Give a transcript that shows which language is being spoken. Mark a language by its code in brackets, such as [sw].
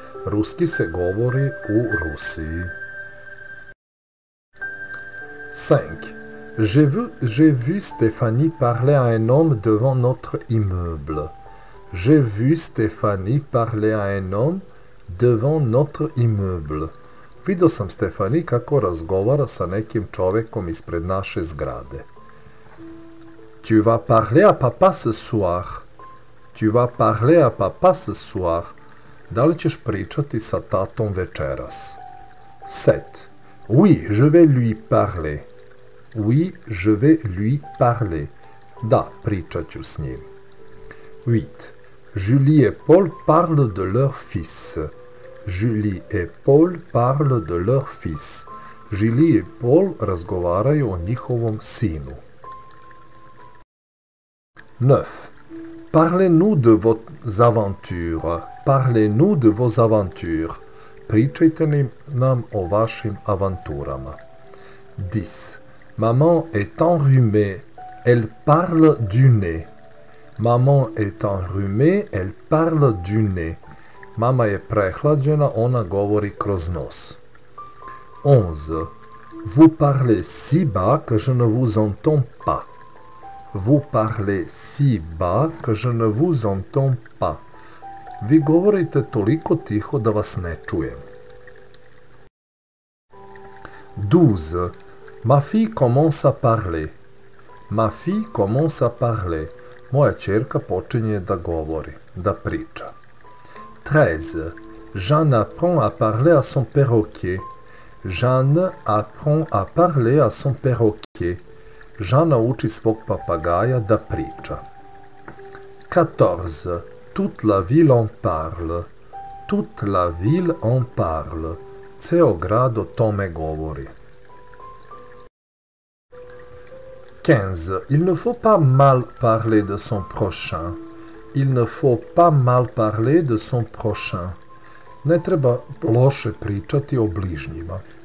[sr] Ruski se govori u Rusiji. [fr] 5. J'ai vu Stéphanie parler à un homme devant notre immeuble. J'ai vu Stéphanie parler à un homme devant notre immeuble. [sr] Vidio sam Stéphanie kako razgovara sa nekim čovjekom ispred naše zgrade. [fr] Tu vas parler à papa ce soir. Tu vas parler à papa ce soir. [sr] Da li ćeš pričati sa tatom večeras? [fr] 7. Oui, je vais lui parler. Oui, je vais lui parler. [sr] Da, pričat ću s njim. 8. [fr] Julie et Paul parlent de leur fils. Julie et Paul parlent de leur fils. [sr] Julie et Paul razgovaraju o njihovom sinu. [fr] 9. Parlez-nous de vos aventures. Parlez-nous de vos aventures. [sr] Pričajte nam o vašim avanturama. [fr] 10. Maman est enrhumée. Elle parle du nez. Maman est enrhumée, elle parle du nez. [sr] Mama je prehlađena, ona govori kroz nos. 11. [fr] Vous parlez si bas que je ne vous entends pas. Vous parlez si bas que je ne vous entends pas. [sr] Vi govorite toliko tiho da vas ne čujem. 12. [fr] Ma fille commence à parler. Ma fille commence à parler. [sr] Moja ćerka počinje da govori, da priča. 13. [fr] Jeanne apprend à parler à son perroquet. Jeanne apprend à parler à son perroquet. [sr] Jeanne uči svog papagaja da priča. 14. [fr] Toute la ville en parle. Toute la ville en parle. [sr] Ceo grad o tome govori. 15. [fr] Il ne faut pas mal parler de son prochain. Il ne faut pas mal parler de son prochain. [sr] Ne treba loše pričati o bližnjima.